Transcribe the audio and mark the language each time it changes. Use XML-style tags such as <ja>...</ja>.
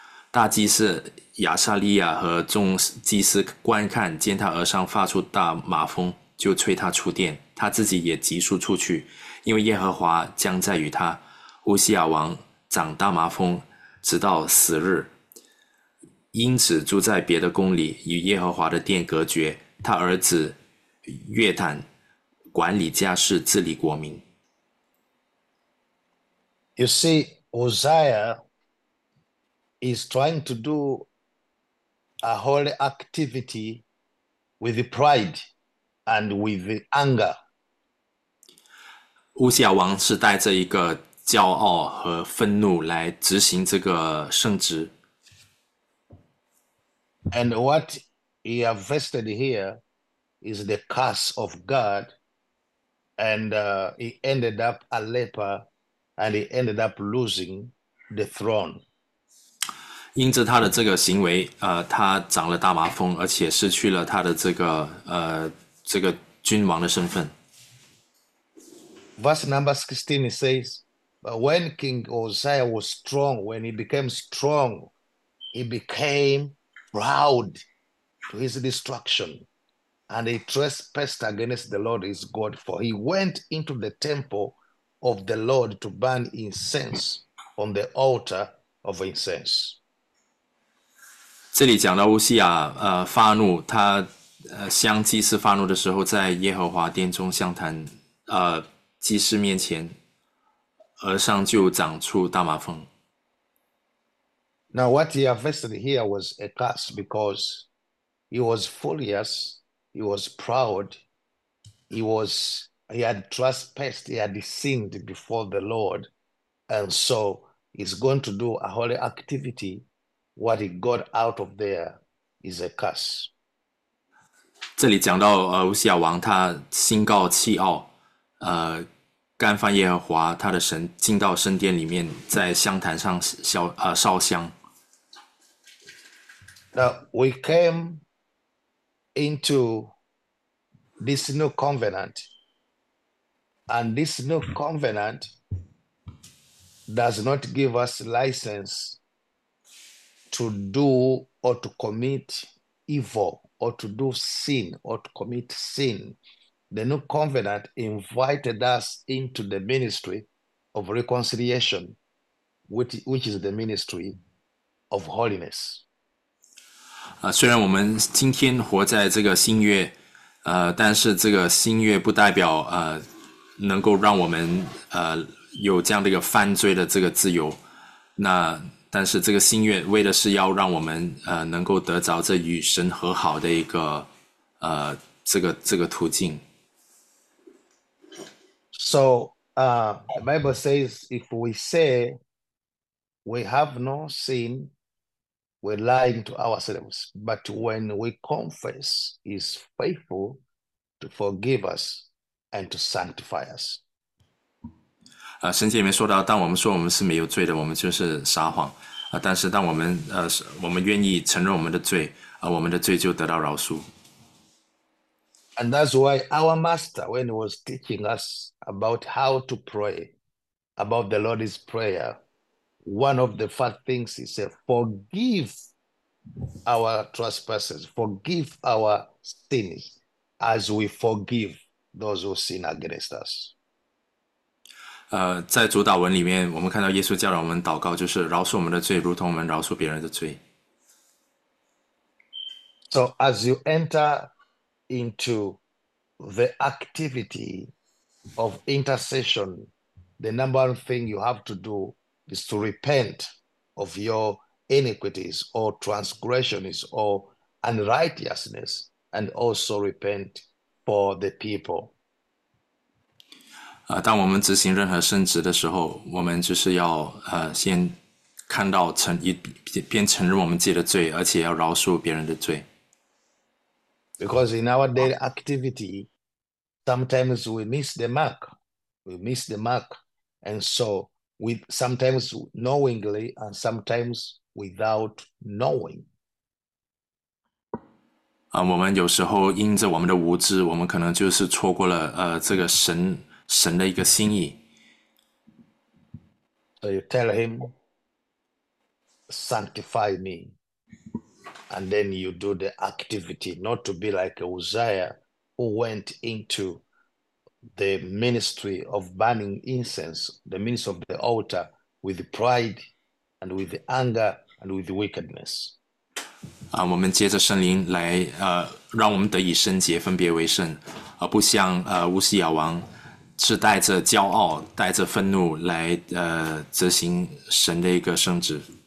<zh>大祭司亚撒利亚和众祭司观看见他额上发出大麻风，就催他出殿，他自己也急速出去，因为耶和华将在与他。乌西亚王长大麻风，直到死日。因此住在别的宫里，与耶和华的殿隔绝。他儿子约坦管理家事，治理国民。</zh> <en>You see, Uzziah is trying to do a holy activity with pride and with anger.</en> <zh>乌西亚王是带着一个骄傲和愤怒来执行这个圣旨。</zh> <en>And what he have vested here is the curse of God, and he ended up a leper. And he ended up losing the throne.</en> <zh>因着他的这个行为，他长了大麻风，而且失去了他的这个君王的身份。</zh> <en>Verse number 16 says, But when King Uzziah was strong, when he became strong, he became proud to his destruction, and he trespassed against the Lord his God, for he went into the temple. Of the Lord to burn incense on the altar of incense.</en> <zh>这里讲到乌西亚，发怒，他向祭司发怒的时候，在耶和华殿中向坛，祭司面前，额上就长出大麻风。</zh> <en>Now, what he invested here was a curse because he was foolish, he was proud, He had trespassed, he had sinned before the Lord, and so he's going to do a holy activity. What he got out of there is a curse.</en> <zh>这里讲到，乌西亚王他心高气傲，干犯耶和华他的神，进到圣殿里面，在香坛上烧香。</zh> <en>Now we came into this new covenant. And this new covenant does not give us license to do or to commit evil or to do sin or to commit sin. The new covenant invited us into the ministry of reconciliation, which is the ministry of holiness.</en> <zh>虽然我们今天活在这个新约，但是这个新约不代表能够让我们有这样的一个犯罪的这个自由。那但是这个新约为的是要让我们能够得着这与神和好的一个这个途径。</zh> <en>So, the Bible says if we say we have no sin, we're lying to ourselves. But when we confess, he's faithful to forgive us and to sanctify us.</en> <zh>圣经里面说到，当我们说我们是没有罪的，我们就是撒谎。但是当我们愿意承认我们的罪，我们的罪就得到饶恕。</zh> <en>And that's why our master, when he was teaching us about how to pray, about the Lord's Prayer, one of the first things he said, forgive our trespasses, forgive our sins, as we forgive those who sin against us.</en> <zh>在主祷文里面，我们看到耶稣教导我们祷告，就是饶恕我们的罪，如同我们饶恕别人的罪。</zh> <en>So as you enter into The activity of intercession, the number one thing you have to do is to repent of your iniquities or transgressions or unrighteousness, and also repent for the people.</en> <zh>当我们执行任何圣职的时候，我们就是要先看到边承认我们自己的罪，而且要饶恕别人的罪。</zh> <en>Because in our daily activity, Sometimes we miss the mark. We miss the mark. And so we sometimes knowingly and sometimes without knowing.</en> <zh>我们有时候因着我们的无知，我们可能就是错过了这个神的一个心意。</zh> <en>So you tell him, sanctify me. And then you do the activity, not to be like Uzziah, who went into the ministry of burning incense, the ministry of the altar, with pride and with anger and with wickedness.</en> <zh>我们借着圣灵来，让我们得以圣洁，分别为圣，而不像乌西亚王，是带着骄傲、带着愤怒来执行神的一个圣旨。</zh>